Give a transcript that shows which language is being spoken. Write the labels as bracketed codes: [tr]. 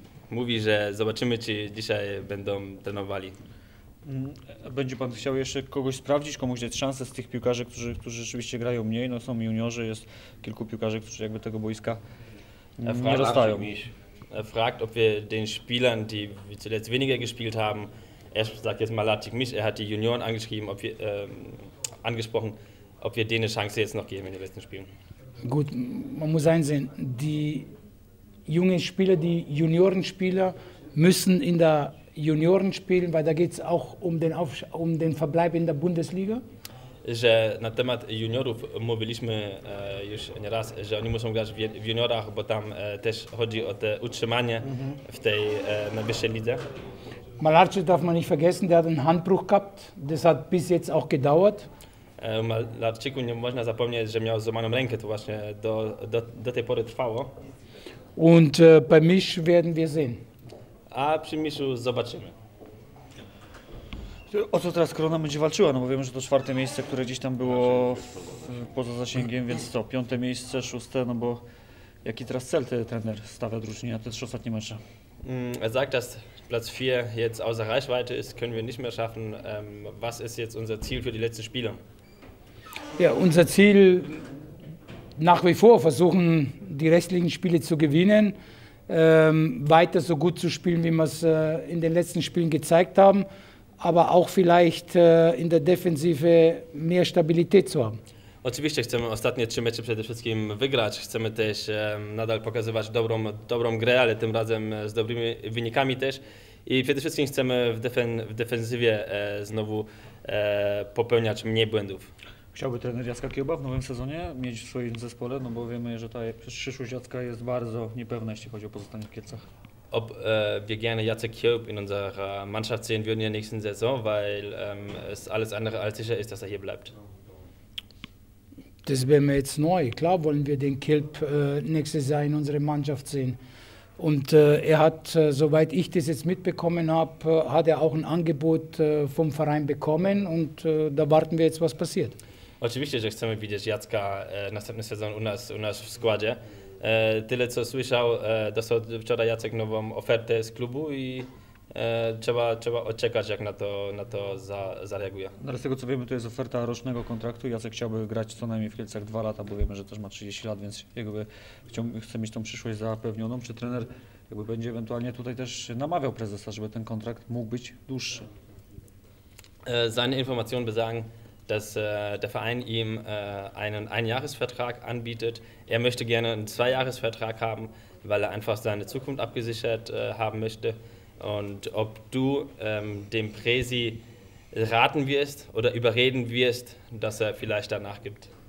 [pl] Mówi, że zobaczymy, czy dzisiaj będą trenowali. Będzie pan chciał jeszcze kogoś sprawdzić, komuś dać szansę z tych piłkarzy, którzy rzeczywiście grają mniej? No są juniorzy, jest kilku piłkarzy, którzy jakby tego boiska nie dostają. [de] Er fragt, ob wir den Spielern, die zuletzt weniger gespielt haben, er sagt jetzt Malacik Misch, er hat die Junioren angeschrieben, ob wir, angesprochen, ob wir denen eine Chance jetzt noch geben in den letzten Spielen. Gut, man muss einsehen, die jungen Spieler, die Juniorenspieler müssen in der Junioren spielen, weil da geht es auch um den Verbleib in der Bundesliga. [pl] Że na temat juniorów mówiliśmy już nie raz, że oni muszą grać w juniorach, bo tam też chodzi o te utrzymanie w tej najwyższej lidze. [de] Malarczyk darf man nicht vergessen, der hat einen Handbruch gehabt, das hat bis jetzt auch gedauert. [pl] Malarczyku nie można zapomnieć, że miał złamaną rękę, to właśnie do tej pory trwało. [de] Und bei Misch werden wir sehen. [pl] A przy Miszu zobaczymy. O co teraz Korona będzie walczyła? No bo wiemy, że to czwarte miejsce, które gdzieś tam było poza zasięgiem, więc co? Piąte miejsce, szóste, no bo jaki teraz cel ten trener stawia drużynie na te trzy ostatnie mecze? [de] Er sagt, dass Platz 4 jetzt außer Reichweite ist, können wir nicht mehr schaffen. Was ist jetzt unser Ziel für die letzten Spiele? Ja, unser Ziel nach wie vor versuchen, die restlichen Spiele zu gewinnen, weiter so gut zu spielen, wie wir es in den letzten Spielen gezeigt haben. Aber auch vielleicht in der Defensive mehr Stabilität zu haben. [pl] Oczywiście chcemy ostatnie trzy mecze przede wszystkim wygrać. Chcemy też nadal pokazywać dobrą grę, ale tym razem z dobrymi wynikami też. I przede wszystkim chcemy w defensywie znowu popełniać mniej błędów. Chciałby trener Jacka Kiełba w nowym sezonie mieć w swoim zespole? No bo wiemy, że ta przyszłość Jacka jest bardzo niepewna, jeśli chodzi o pozostanie w Kielcach. [de] Ob wir gerne Jacek Kiełb in unserer Mannschaft sehen würden in der nächsten Saison, weil es alles andere als sicher ist, dass er hier bleibt. Das wäre mir jetzt neu. Klar wollen wir den Kiełb nächstes Jahr in unserer Mannschaft sehen. Und er hat, soweit ich das jetzt mitbekommen habe, hat er auch ein Angebot vom Verein bekommen und da warten wir jetzt, was passiert. [pl] Oczywiście, że chcemy widzieć Jacka następny sezon u nas w składzie. Tyle co słyszał, dostał wczoraj Jacek nową ofertę z klubu i trzeba odczekać, jak na to zareaguje. No, z tego co wiemy, to jest oferta rocznego kontraktu. Jacek chciałby grać co najmniej w Kielcach 2 lata, bo wiemy, że też ma 30 lat, więc jakby chce mieć tą przyszłość zapewnioną. Czy trener jakby będzie ewentualnie tutaj też namawiał prezesa, żeby ten kontrakt mógł być dłuższy? [de] Seine Informationen besagen, dass der Verein ihm einen Einjahresvertrag anbietet. Er möchte gerne einen Zweijahresvertrag haben, weil er einfach seine Zukunft abgesichert haben möchte. Und ob du dem Presi raten wirst oder überreden wirst, dass er vielleicht danach gibt?